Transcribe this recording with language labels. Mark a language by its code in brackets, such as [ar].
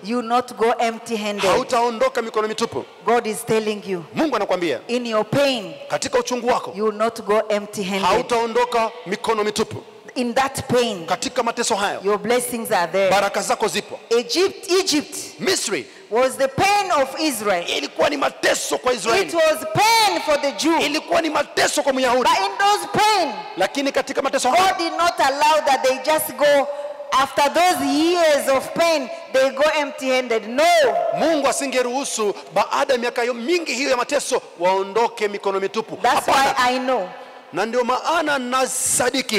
[en] You will not go empty-handed. [sw] Hautaondoka mikono mitupu. [en] God is telling you. [sw] Mungu anakuambia. [en] In your pain. [sw] Katika uchungu wako. [en] You will not go empty-handed. [sw] Hautaondoka mikono mitupu. [en] In that pain. [sw] Katika mateso hayo. [en] Your blessings are there. [sw] Baraka zako zipo. [en] Egypt. [sw] Misri. [en] Was the pain of Israel. [sw] Ilikuwa ni mateso kwa Israeli. [en] It was pain for the Jew. [sw] Ilikuwa ni mateso kwa Wayahudi. [en] But in those pain. [sw] Lakini katika mateso hayo. [en] God did not allow that they just go after those years of pain. They go empty-handed. No. [sw] Mungu asingeruhusu baada ya miaka mingi hiyo ya mateso waondoke mikono mitupu. [en] That's why I know. [sw] Na ndio maana nasadiki.